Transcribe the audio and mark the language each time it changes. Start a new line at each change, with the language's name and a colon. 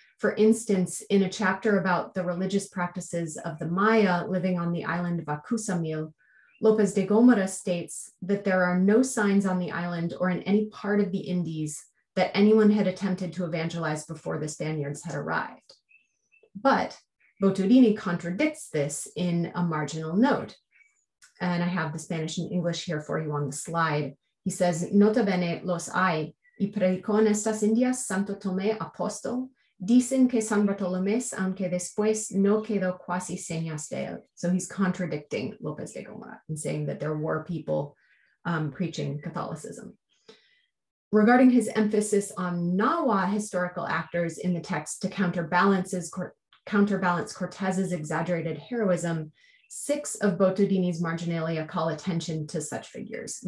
English: For instance, in a chapter about the religious practices of the Maya living on the island of Acusamil, López de Gomera states that there are no signs on the island or in any part of the Indies that anyone had attempted to evangelize before the Spaniards had arrived. But Boturini contradicts this in a marginal note. And I have the Spanish and English here for you on the slide. He says,
Spanish: Nota bene los hay, y predicó en estas Indias Santo Tomé apóstol, dicen que San Bartolomé, aunque después no quedó quasi señas de él.
English: So he's contradicting López de Gomera and saying that there were people preaching Catholicism. Regarding his emphasis on Nahuatl historical actors in the text to counterbalance Cortez's exaggerated heroism, six of Boturini's marginalia call attention to such figures.